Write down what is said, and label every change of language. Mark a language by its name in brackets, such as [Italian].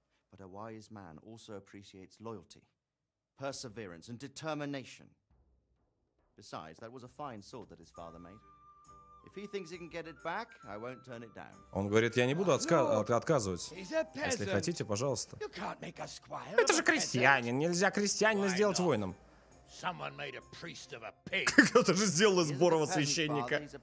[English] But a wise man also appreciates loyalty, perseverance and determination. Besides, that was a fine sword that his father made. If he thinks he can get it back, I won't turn it down. [Russian] Он говорит, я не буду отказывать. Если хотите, пожалуйста. Это же крестьянин, нельзя крестьянина сделать воином. [English] Someone made a priest of a pig. [Russian] Кто-то же сделал из Борова священника.